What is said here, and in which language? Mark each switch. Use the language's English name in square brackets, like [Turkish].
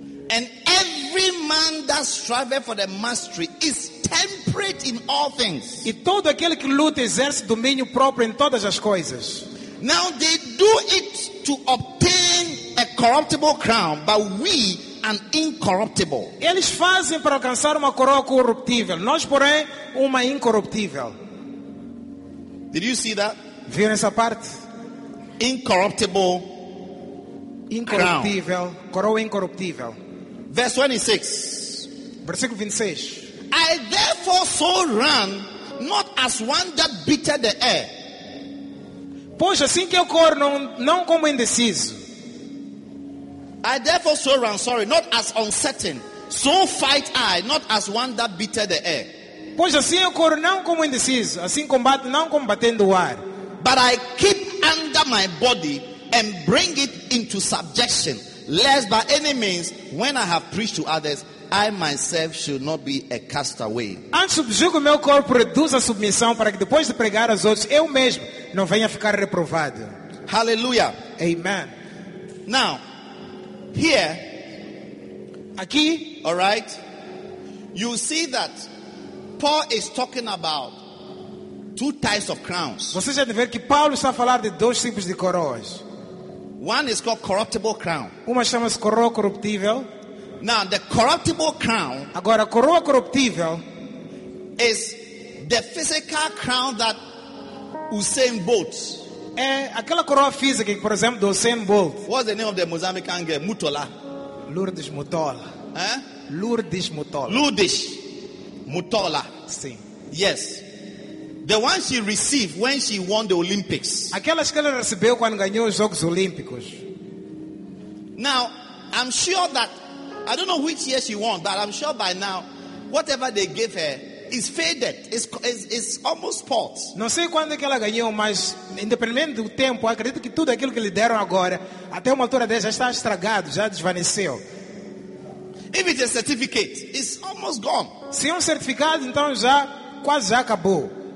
[English] And every man that strives for the mastery is temperate in all things. [Portuguese] E todo aquele que luta exerce domínio próprio em todas as coisas. [English] Now they do it to obtain a corruptible crown, but we an incorruptible. [Portuguese] Eles fazem para alcançar uma coroa corruptível, nós porém uma incorruptível. [English] Did you see that? [Portuguese] Viram essa parte? [English] Incorruptible, [Portuguese] incorruptível, coroa incorruptível. [English] Verse 26. [Portuguese] Versículo 26. [English] I therefore so run, not as one that beateth the air. [Portuguese] Pois assim que eu corro, não como indeciso. [English] I therefore so run, sorry, not as uncertain. So fight I, not as one that beateth the air. [Portuguese] Pois assim eu corro, não como indeciso. Assim combate, não como batendo o ar. [English] But I keep under my body and bring it into subjection, lest by any means, when I have preached to others, I myself should not be a castaway. [Portuguese] Antes subjugo o meu corpo, reduz a submissão, para que depois de pregar aos outros, eu mesmo não venha ficar reprovado. [English] Hallelujah. Amen. Now, here, [Portuguese] aqui, [English] all right, you see that Paul is talking about two types of crowns. [Portuguese] Vocês já devem ver que Paulo está a falar de dois tipos de coroas. [English] One is called corruptible crown. [Portuguese] Uma chama-se coroa corruptível. [English] Now the corruptible crown. [Portuguese] Agora a coroa corruptível [English] is the physical crown that Usain Bolt. [Portuguese] É aquela coroa física, por exemplo, do Usain Bolt. [English] What's the name of the Mozambican girl? Mutola. Lourdes Mutola. Eh? Lourdes Mutola. Lourdes Mutola. [Portuguese] Sim. [English] Yes. The one she received when she won the Olympics. [Portuguese] Aquelas que ela recebeu quando ganhou os Jogos Olímpicos. [English] Now, I'm sure that, I don't know which year she won, but I'm sure by now, whatever they gave her is faded. It's almost spoilt. [Portuguese] Não sei quando que ela ganhou, mas independente do tempo, acredito que tudo aquilo que lhe deram agora, até uma altura dela já está estragado, já desvaneceu. [English] If it's a certificate, it's almost gone. [Portuguese] Se é um certificado, então já quase já acabou.